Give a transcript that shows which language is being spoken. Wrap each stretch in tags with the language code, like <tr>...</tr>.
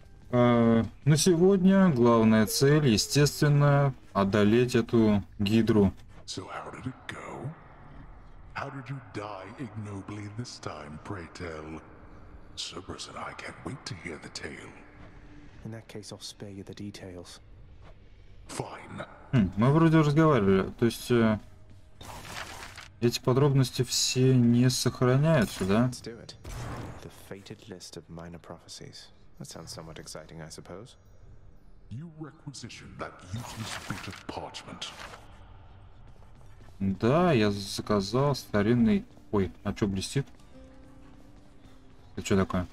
<ru>На сегодня главная цель, естественно, одолеть эту гидру.</ru> <en>So how did it go? How did you die ignobly this time, pray tell? Cerberus and I can't wait to hear the tale. In that case, I'll spare you the details. Fine.</en> <ru>Мы вроде разговаривали, то есть эти подробности все не сохраняются, да?</ru> <en>Let's do it. The fated list of minor prophecies. That sounds somewhat exciting, I suppose. You requisitioned that useless bit of parchment.</en> <ru>Да, я заказал старинный... Ой, а чё блестит? Это чё такое?</ru>